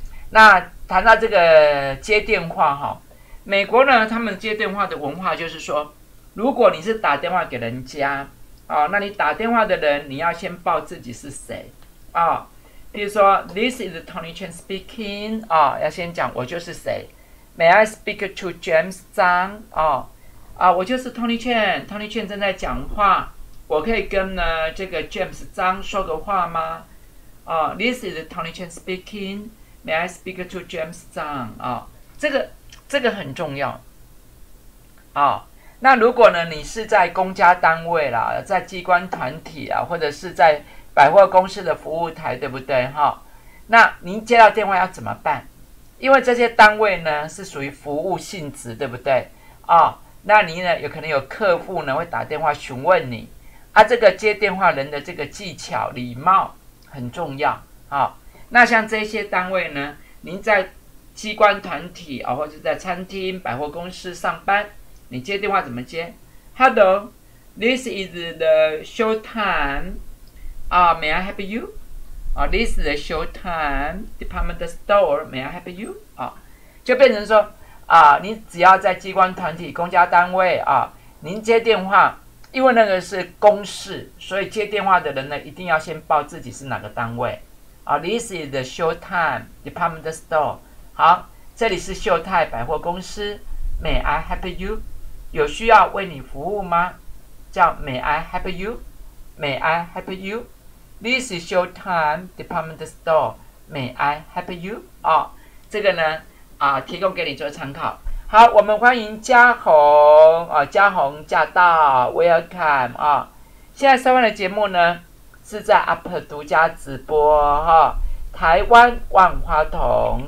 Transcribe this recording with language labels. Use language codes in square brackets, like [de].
[zh] 那谈到这个接电话哈，美国呢，他们接电话的文化就是说，如果你是打电话给人家啊，那你打电话的人你要先报自己是谁啊。比如说， [en] This is Tony Chen speaking [zh] 啊，要先讲我就是谁。 [en] May I speak to James Zhang？ [zh] 我就是 Tony Chen，Tony Chen 正在讲话，我可以跟呢这个 James Zhang 说个话吗？ [en] This is Tony Chen speaking。 May I speak to James Zhang？ [zh] 这个很重要啊。那如果呢，你是在公家单位啦，在机关团体啊，或者是在百货公司的服务台，对不对？哈，那您接到电话要怎么办？因为这些单位呢是属于服务性质，对不对？那您呢有可能有客户呢会打电话询问你，啊，这个接电话人的这个技巧、礼貌很重要啊。那像这些单位呢，您在机关团体啊，或者在餐厅、百货公司上班，你接电话怎么接？ [en] Hello, this is the show time. May I help you? This is the show time department store. May I help you? [zh] 就变成说你只要在机关团体、公家单位您接电话，因为那个是公事，所以接电话的人呢，一定要先报自己是哪个单位。 [en] This is the Showtime Department Store。 [zh] 好，这里是秀泰百货公司。 [en] May I help you？ [zh] 有需要为你服务吗？ [en] 叫 May I help you？May I help you？This is Showtime Department Store。 May I help you？ [zh] 这个呢提供给你做参考。好，我们欢迎嘉宏嘉宏驾到，Welcome 现在收看的节目呢？是在 UP 独家直播哈，台湾万花筒。